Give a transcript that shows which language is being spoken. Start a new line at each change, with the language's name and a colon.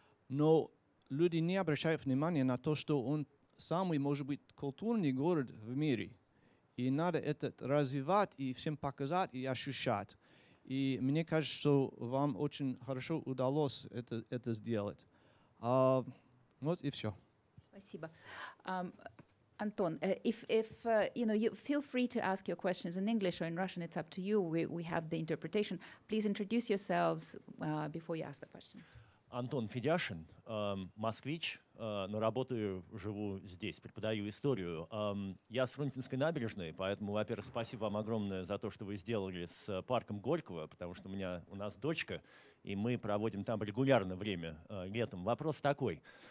Russian: Но люди не обращают внимания на то, что он самый, может быть, культурный город в мире. И надо это развивать и всем показать и ощущать. И мне кажется, что вам очень хорошо удалось это сделать. Вот и все. Спасибо.
English: Антон, if you know, you feel free to ask your questions in English or in Russian. It's up to you. We have the interpretation. Please introduce yourselves before you ask the question.
Russian: Антон Федяшин, москвич, но работаю, живу здесь, преподаю историю. Я с Фрунзенской набережной, поэтому, во-первых, спасибо вам огромное за то, что вы сделали с парком Горького, потому что у нас дочка, и мы проводим там регулярно время летом. Вопрос такой.